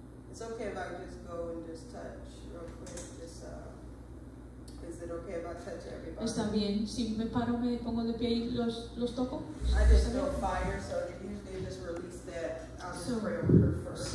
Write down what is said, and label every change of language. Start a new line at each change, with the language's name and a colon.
English: It's okay if I just go and just touch real quick. Is it okay if I touch everybody?
Spanish: Está bien. Si me paro, me pongo de pie y los toco.
English: I just feel fire, so usually just release that. I'll just pray over her first.